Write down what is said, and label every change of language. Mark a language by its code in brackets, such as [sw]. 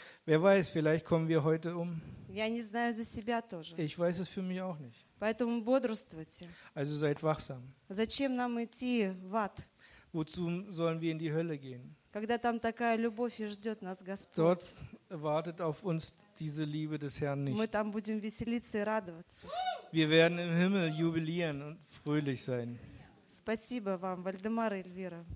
[de] Wer weiß, vielleicht kommen wir heute um. [ru] Я не знаю за себя тоже. [de] Ich weiß es für mich auch nicht. [ru] Поэтому бодрствуйте. [de] Also seid wachsam. [ru] Зачем нам идти в ад? [de] Wozu sollen wir in die Hölle gehen? [ru] Когда там такая любовь и ждет нас Господь. [de] Dort wartet auf uns diese Liebe des Herrn nicht. [ru] Мы там будем веселиться и радоваться. [de] Wir werden im Himmel jubilieren und fröhlich sein. [ru] Спасибо вам, Вальдемар и Эльвира.